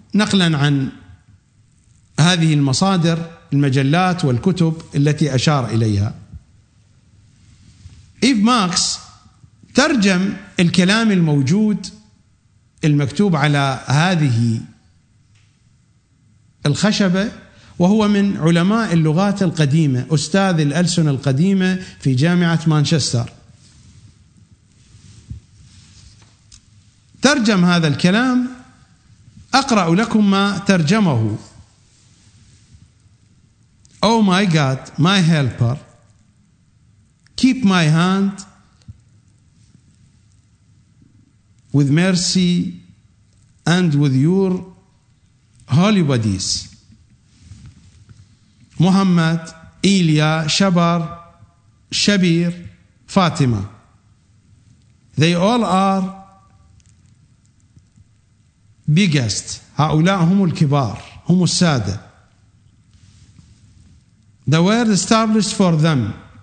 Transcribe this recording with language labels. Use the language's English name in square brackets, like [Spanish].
[Arabic] نقلا عن هذه المصادر المجلات والكتب التي أشار إليها، إيف ماكس ترجم الكلام الموجود المكتوب على هذه الخشبة، وهو من علماء اللغات القديمة، أستاذ الألسن القديمة في جامعة مانشستر، ترجم هذا الكلام. أقرأ لكم ما ترجمه. [English] Oh my God, my helper, keep my hand with mercy and with your holy bodies. [Arabic] محمد، إيليا، شبر، شبير، فاطمة. [English] They all are biggest. [Arabic] هؤلاء هم الكبار، هم السادة. [English] The world established for them.